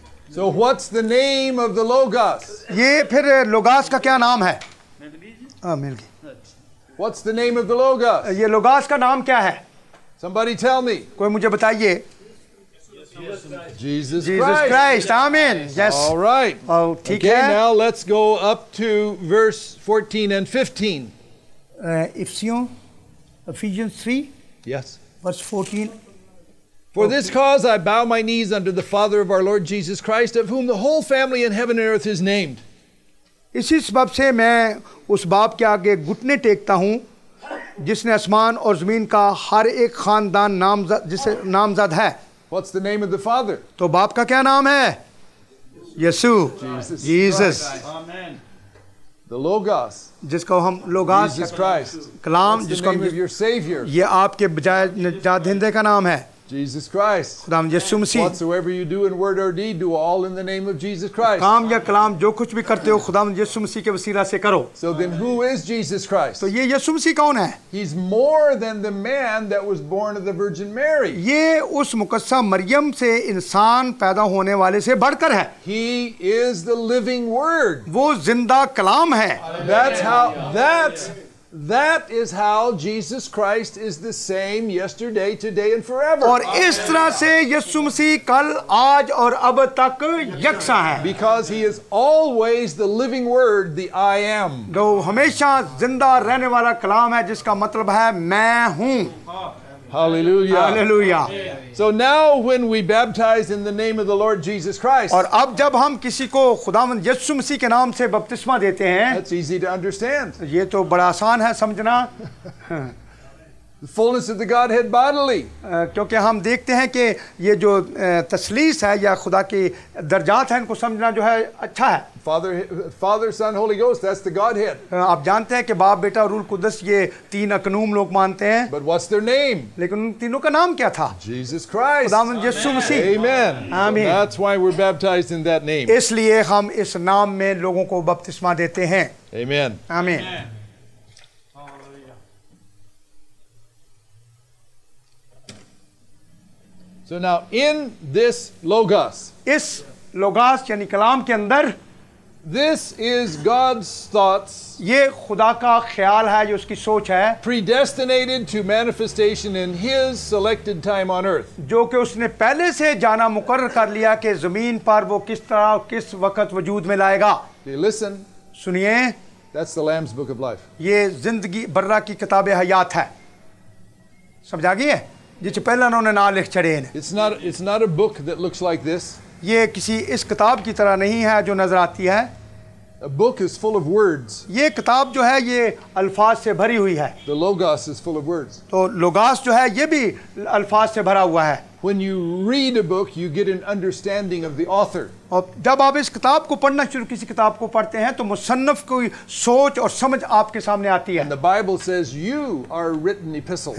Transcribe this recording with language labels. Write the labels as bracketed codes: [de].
[en] So what's the name of the logos? [hi] ये फिर लोगास का क्या नाम है? मिल गई. [en] What's the name of the logos? [hi] ये लोगास का नाम क्या है? [en] Somebody tell me. [hi] कोई मुझे बताइए. [en] Jesus Christ. Christ. Amen. Yes. All right. Okay, now let's go up to verse 14 and 15. Ephesians 3. Yes. Verse 14. For this cause I bow my knees unto the Father of our Lord Jesus Christ, of whom the whole family in heaven and earth is named. [hi] इसी सबब से मैं उस बाप के आगे घुटने टेकता हूँ जिसने आसमान और जमीन का हर एक खानदान नामजद, जिसे नामजद है. [en] What's the name of the Father? [hi] तो बाप का क्या नाम है? यीशु. [en] Jesus. Amen. The Logos. [hi] जिसको हम लोगास कहते हैं. [en] Jesus Christ. [hi] कलाम जिसको हम. [en] The name of your Savior. [hi] ये आपके बजाय जादिंदे का नाम है. [en] Jesus Christ. [hi] खुदाम यीशु मसीह. [en] Whatsoever you do in word or deed, do all in the name of Jesus Christ. [hi] काम या कलाम जो कुछ भी करते हो खुदाम यीशु मसीह के वसीला से करो. [en] So then who is Jesus Christ? [hi] तो ये यीशु मसीह कौन है? [en] He's more than the man that was born of the Virgin Mary. [hi] ये उस मुकद्दसा मरियम से इंसान पैदा होने वाले से बढ़कर है. [en] He is the living word. [hi] वो जिंदा कलाम है. [en] That is how Jesus Christ is the same yesterday, today, and forever. [hi] और इस तरह से यीशु मसीह कल, आज और अब तक यकसा है. [en] Because he is always the living word, the I am. [hi] जो हमेशा जिंदा रहने वाला कलाम है जिसका मतलब है मैं हूँ. [en] Hallelujah. Hallelujah. So now when we baptize in the name of the Lord Jesus Christ. [hi] और अब जब हम किसी को खुदावंद यीशु मसीह के नाम से बपतिस्मा देते हैं. [en] That's easy to understand. [hi] ये तो बड़ा आसान है समझना. [en] The fullness of the Godhead bodily. [hi] क्योंकि हम देखते हैं कि ये जो तसलीस है या खुदा के दर्जात हैं इनको समझना जो है अच्छा है. [en] Father, Son, Holy Ghost, that's the Godhead. [hi] आप जानते हैं कि बाप बेटा और रूह कुदस ये तीन अकनूम लोग मानते हैं. [en] But what's their name? [hi] लेकिन उन तीनों का नाम क्या था? [en] Jesus Christ. [hi] खुदावंद यीशु मसीह. [en] Amen. Amen. So that's why we're baptized in that name. [hi] इसलिए हम इस नाम में लोगों को बपतिस्मा देते हैं. [en] Amen. Amen. So now in this logos, [hi] इस logos यानी कलाम के अंदर, [en] this is God's thoughts, [hi] ये खुदा का ख्याल है, ये उसकी सोच है, [en] predestinated to manifestation in His selected time on earth, [hi] जो कि उसने पहले से जाना मुकर्रर कर लिया कि ज़मीन पर वो किस तरह और किस वक्त वजूद में लाएगा. [en] They listen, [hi] सुनिए, [en] that's the Lamb's Book of Life, [hi] ये ज़िंदगी बर्रा की किताबे हयात है, समझा गई है? [en] It's not a book that looks like this. [hi] ये किसी इस किताब की तरह नहीं है जो नजर आती है. [en] A book is full of words. [hi] ये किताब जो है ये अल्फाज से भरी हुई है. [en] The logos is full of words. [hi] तो logos जो है ये भी अल्फाज से भरा हुआ है. [en] When you read a book, you get an understanding of the author. [hi] और जब आप इस किताब को पढ़ना शुरू किसी किताब को पढ़ते हैं तो मुसन्नफ की सोच और समझ आपके सामने आती है. [en] And the Bible says you are written epistles.